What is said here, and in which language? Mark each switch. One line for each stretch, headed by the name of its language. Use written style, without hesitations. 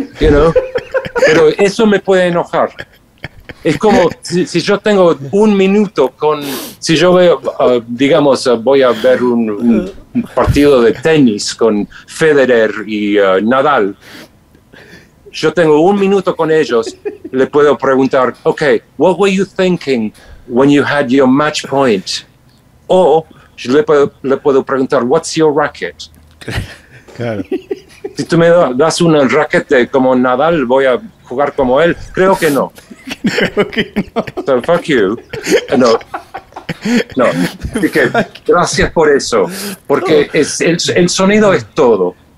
English: You know,
Spanish: pero eso me puede enojar. Es como si yo tengo un minuto con... Si yo veo, voy a ver un partido de tenis con Federer y Nadal. Yo tengo un minuto con ellos. Le puedo preguntar,
English: ok, what were you thinking when you had your match point?
Spanish: O yo le puedo preguntar,
English: what's your racket?
Spanish: Claro. Si tú me das un raquete como Nadal, voy a jugar como él. Creo que no. Creo que no.
English: So, fuck you.
Spanish: No. Así que gracias por eso. Porque el sonido es todo.